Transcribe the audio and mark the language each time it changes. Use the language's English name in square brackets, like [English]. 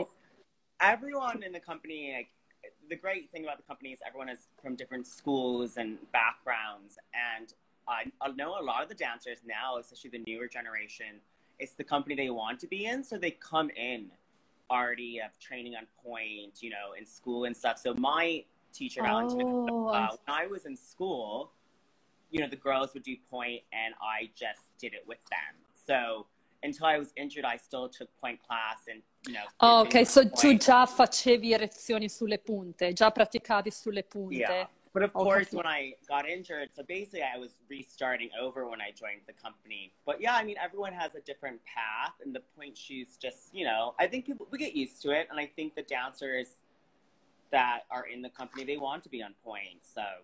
[English] well, everyone in the company, like, the great thing about the company is everyone is from different schools and backgrounds, and I know a lot of the dancers now, especially the newer generation, it's the company they want to be in, so they come in already of training on point, you know, in school and stuff. So my teacher, Valentina, when I was in school, you know, the girls would do point and I just did it with them. So until I was injured, I still took point class and, you know. Oh, okay, so point. [Italian] Tu già facevi erezioni sulle punte, già praticavi sulle punte. [English] Yeah. But of course, when I got injured, so basically I was restarting over when I joined the company. But yeah, I mean, everyone has a different path, and the point shoes just, you know, I think people, we get used to it. And I think the dancers that are in the company, they want to be on point, so.